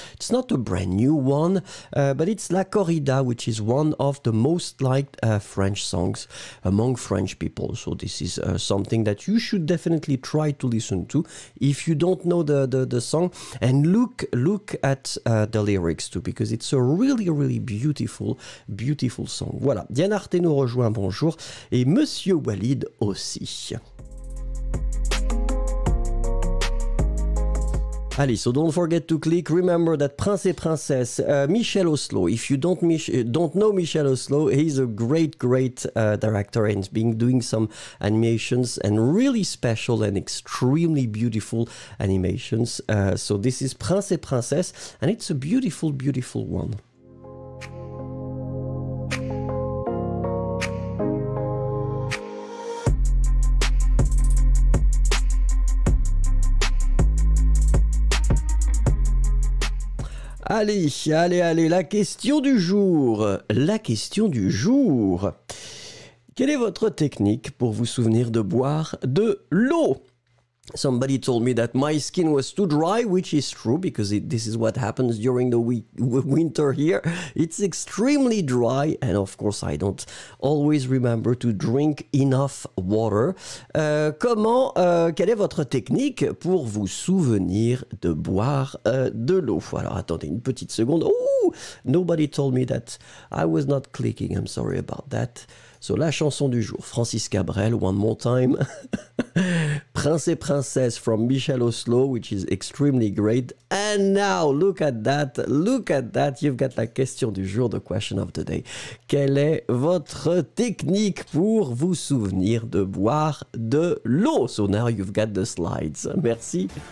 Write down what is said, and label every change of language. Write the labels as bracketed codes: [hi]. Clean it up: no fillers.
[en] It's not a brand new one, but it's La Corrida, which is one of the most liked French songs among French people. So this is something that you should definitely try to listen to if you don't know the song, and look at the lyrics too, because it's a really really beautiful song. [fr] Voilà, Diane Arte nous rejoint, bonjour, et Monsieur Walid aussi. [en] Allez, so don't forget to click. Remember that Prince et Princesse, Michel Oslo. If you don't know Michel Oslo, he's a great, great director and been doing some animations and really special and extremely beautiful animations. So this is Prince et Princesse and it's a beautiful, beautiful one. [fr] Allez, allez, allez, la question du jour. La question du jour. Quelle est votre technique pour vous souvenir de boire de l'eau? [en] Somebody told me that my skin was too dry, which is true, because this is what happens during the winter here. It's extremely dry, and of course I don't always remember to drink enough water. [fr] Quelle est votre technique pour vous souvenir de boire de l'eau? Alors, attendez une petite seconde. [en] Ooh, nobody told me that I was not clicking. I'm sorry about that. So, [fr] la chanson du jour, [en] Francis Cabrel, One More Time. Prince et Princesse from Michel Oslo, which is extremely great. And now, look at that, look at that. You've got [fr] la question du jour, [en] the question of the day. [fr] Quelle est votre technique pour vous souvenir de boire de l'eau? [en] So, now you've got the slides. Merci.